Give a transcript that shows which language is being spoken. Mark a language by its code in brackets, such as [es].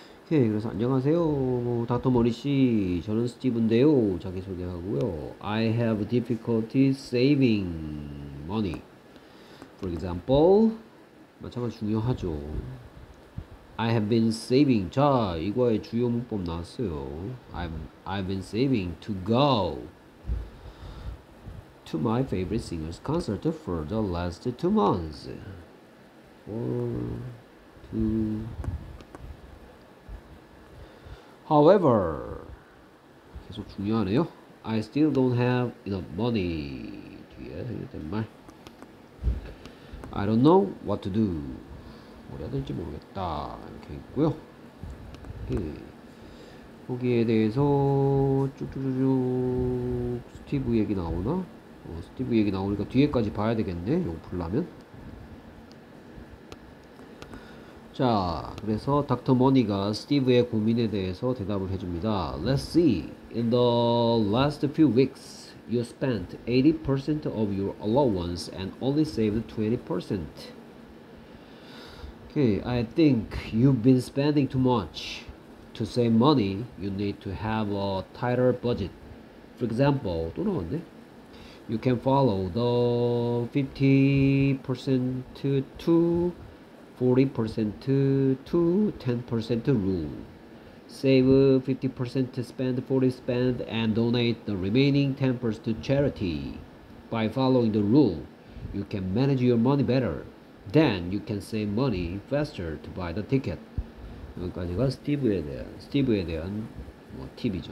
[ko] 네, 그래서 안녕하세요, 닥터 머니 씨. 저는 스티브인데요. 자기 소개하고요. [en] I have difficulty saving money. For example, [ko] 마찬가지 중요하죠. [en] I have been saving. [ko] 자, 이거의 주요 문법 나왔어요. [en] I've been saving to go to my favorite singer's concert for the last 2 months. 1, 2. However, [ko] 계속 중요하네요. [en] I still don't have enough money. [ko] 뒤에 생겼단 말. [en] I don't know what to do. [ko] 뭘 해야 될지 모르겠다. 이렇게 있고요. 오케이. 거기에 대해서 쭉쭉쭉 스티브 얘기 나오나? 스티브 얘기 나오니까 뒤에까지 봐야 되겠네. 이거 풀려면. 자, 그래서 닥터 머니가 스티브의 고민에 대해서 대답을 해줍니다. [en] Let's see. In the last few weeks, you spent 80% of your allowance and only saved 20%. Okay, I think you've been spending too much. To save money, you need to have a tighter budget. For example, [ko] 또 나왔네. [en] You can follow the 50% to 40% to 10% rule. Save 50% to spend, 40% spend, and donate the remaining 10% to charity. By following the rule, you can manage your money better. Then you can save money faster to buy the ticket. [ko] 여기까지가 스티브에 대한 뭐 팁이죠.